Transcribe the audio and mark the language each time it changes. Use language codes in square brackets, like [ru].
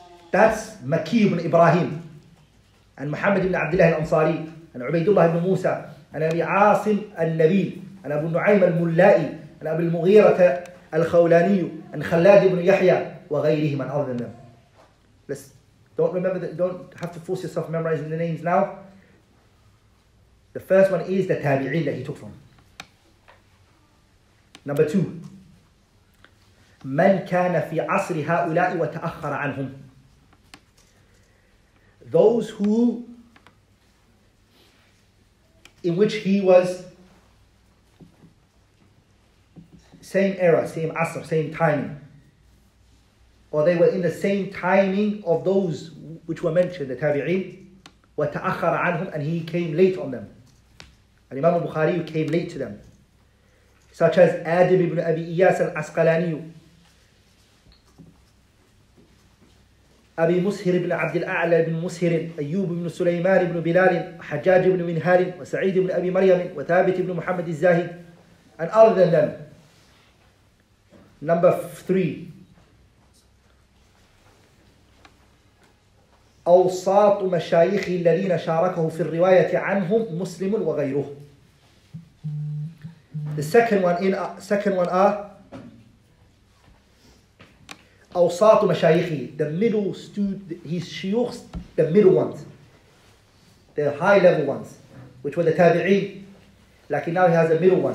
[en] That's Makki ibn Ibrahim and Muhammad ibn Abdullah al-Ansari and Ubaydullah ibn Musa and Abi Asim al-Nabil and Abu Nu'aym al-Mullai and Abu al-Mughira al-Khawlani and Khalad ibn Yahya وغيرهم and other than them. Listen, don't remember that, don't have to force yourself memorizing the names now. The first one is the tabi'in that he took from. Number two, [ar] من كان في عصر هؤلاء وتأخر عنهم. [en] Those who, in which he was, same era, same asr, same timing. Or they were in the same timing of those which were mentioned, the tabi'in. [ar] وتأخر عنهم, [en] and he came late on them. And Imam al-Bukhari came late to them. Such as Adib ibn Abi Iyas al-Asqalani, Abi Mushir ibn Abd al-A'la ibn Mushir, Ayyub ibn Sulaiman ibn Bilal, Hajjaj ibn Minhal, Sa'id ibn Abi Maryam, Thabit ibn Muhammad al-Zahid, and other than them. Number three. [ar] أوصاط مشايخ الذين شاركه في الرواية عنهم مسلم وغيره. [en] The second one are awsatu mashayikhi, the middle student, his shuyukhs, the middle ones, the high level ones, which were the tabi'i, like now he has a middle one.